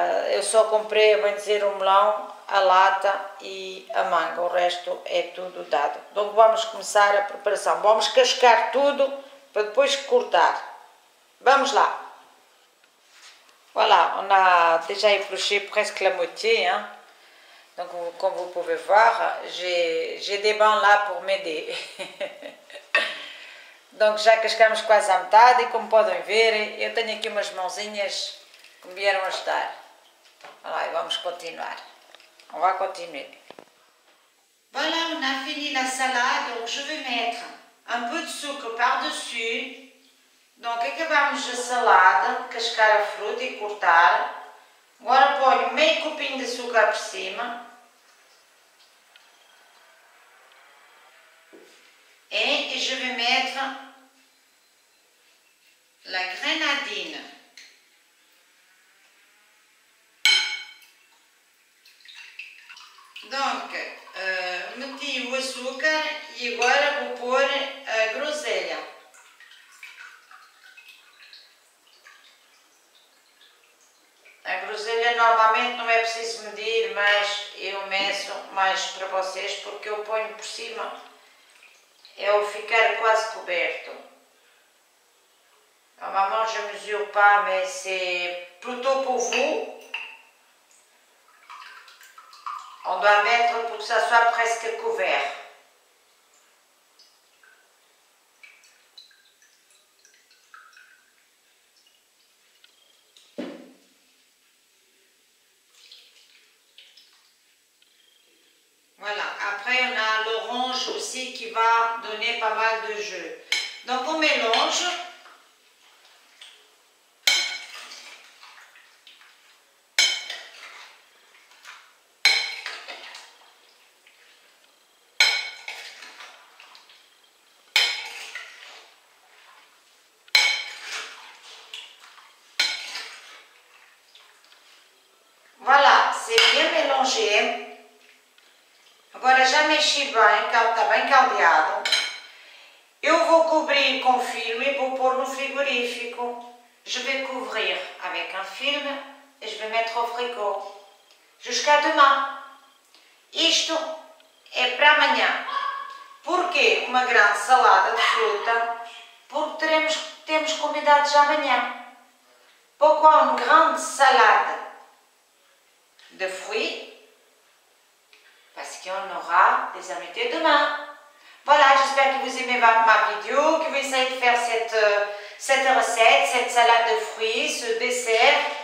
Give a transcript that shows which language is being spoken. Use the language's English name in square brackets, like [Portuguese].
[Portuguese] Eu só comprei, vou dizer, o melão, a lata e a manga. O resto é tudo dado. Então vamos começar a preparação. Vamos cascar tudo para depois cortar. Vamos lá. [French] Voilà, on a déjà épluché presque la moitié, hein. Donc, comme vous pouvez voir, j'ai des bancs là pour m'aider. [Portuguese] Donc, já cascamos quase à metade, e como podem ver, eu tenho aqui umas mãozinhas que me vieram ajudar. [French] Voilà, et [Portuguese] vamos continuar. [French] On va continuer. Voilà, on a fini la salade, donc je vais mettre un peu de sucre par-dessus. [Portuguese] Donc, acabamos a salade, cascar a fruta e cortar. Agora ponho meio copinho de açúcar por cima. [French] E je vais mettre la grenadine. [Portuguese] Donc, meti o açúcar e agora vou pôr a groselha. A groselha normalmente não é preciso medir, mas eu meço mais para vocês porque eu ponho por cima. É o ficar quase coberto. [French] Normalement je mesure pas, mais c'est plutôt pour vous. On doit mettre pour que ça soit presque couvert. Voilà, après on a l'orange aussi qui va donner pas mal de jus. Donc on mélange. Voilà, c'est bien mélangé. [Portuguese] Agora já mexi bem, está bem caldeado. Eu vou cobrir com filme e vou pôr no frigorífico. [French] Je vais couvrir avec un film et je vais mettre au frigo. Jusqu'à demain. [Portuguese] Isto é para amanhã. Porquê uma grande salada de fruta? Porque temos convidados amanhã. [French] Pourquoi une grande salade de fruits? Parce qu'on aura des invités demain. Voilà, j'espère que vous aimez ma vidéo, que vous essayez de faire cette recette, cette salade de fruits, ce dessert.